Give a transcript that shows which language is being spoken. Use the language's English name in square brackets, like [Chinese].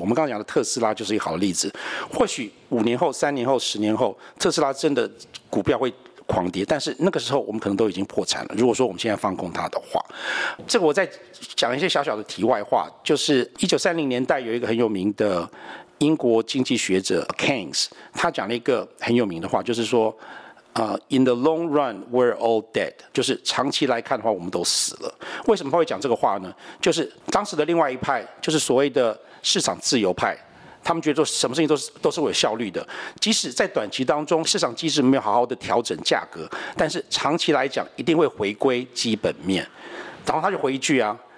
[Chinese] 我们刚刚讲的特斯拉就是一个好例子。或许五年后、三年后、十年后，特斯拉真的股票会狂跌，但是那个时候我们可能都已经破产了。如果说我们现在放空它的话，这个我再讲一些小小的题外话，就是1930年代有一个很有名的英国经济学者 Keynes， 他讲了一个很有名的话，就是说。 [English] In the long run, we're all dead. [Chinese] 就是长期来看的话，我们都死了。为什么他会讲这个话呢？就是当时的另外一派，就是所谓的市场自由派，他们觉得说什么事情都是有效率的。即使在短期当中，市场机制没有好好的调整价格，但是长期来讲，一定会回归基本面。然后他就回一句啊。